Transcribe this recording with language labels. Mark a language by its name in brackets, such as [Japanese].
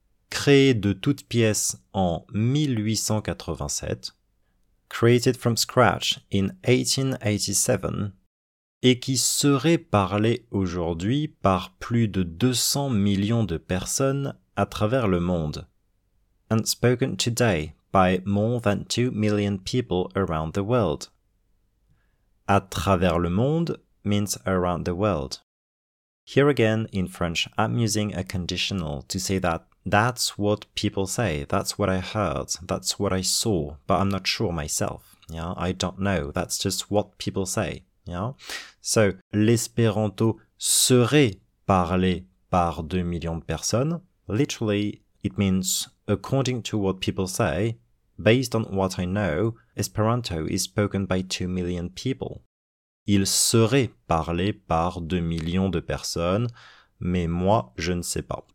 [French] Créé de toutes pièces en 1887, [English] created from scratch in 1887, [French] et qui serait parlé aujourd'hui par plus de 200 millions de personnes à travers le monde. [English] And spoken today by more than 2 million people around the world. [French] À travers le monde [English] means around the world. Here again, in French, I'm using a conditional to say that that's what people say, that's what I heard, that's what I saw, but I'm not sure myself, yeah? I don't know, that's just what people say. Yeah. [French] So, l'espéranto serait parlé par 2 millions de personnes. [English] Literally, it means, according to what people say, based on what I know, Esperanto is spoken by 2 million people. [French] Il serait parlé par 2 millions de personnes, mais moi, je ne sais pas.